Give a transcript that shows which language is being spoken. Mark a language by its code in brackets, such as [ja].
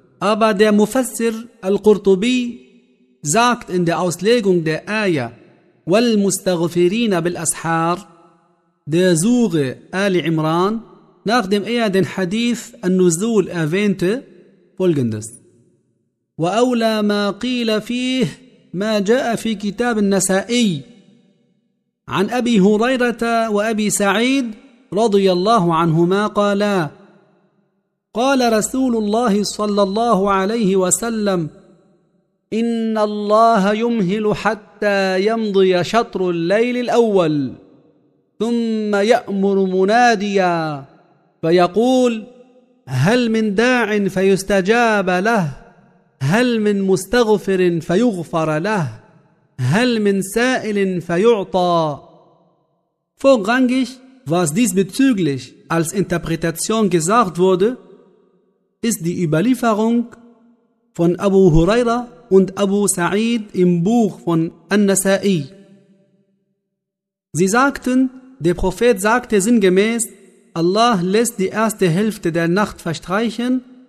[de] Aber der Mufassir al-Qurtubi sagt in der Auslegung der Ayah [ar] وَالْمُسْتَغْفِرِينَ بِالْأَسْحَارِ [de] der Sure Ali Imran, nachdem er den Hadith An-Nuzul erwähnte, folgendes: [ar] وَأَوْلَى مَا قِيلَ فِيهِ مَا جَاءَ فِي كِتَابِ النَّسَائِي عَنْ أَبِي هُرَيْرَةَ وَأَبِي سَعِيدَ رَضِيَ اللَّهُ عَنْهُمَا قَالَا قَالَ رَسُولُ اللَّهِ صَلَّى اللَّهُ عَلَيْهِ وَسَلَّمَ إِنَّ اللَّهَ يُمْهِلُ حَتَّى يَمْضِيَ شَطْرُ اللَّيْلِ الْأَوَّلِ ثم يأمر مناديا فيقول هل من داع فيستجاب له هل من مستغفر فيغفر له هل من سائل فيعطى. [de] Vorrangig, was diesbezüglich als Interpretation gesagt wurde, ist die Überlieferung von Abu Huraira und Abu Sa'id im Buch von An-Nasa'i. Sie sagten, der Prophet sagte sinngemäß, Allah lässt die erste Hälfte der Nacht verstreichen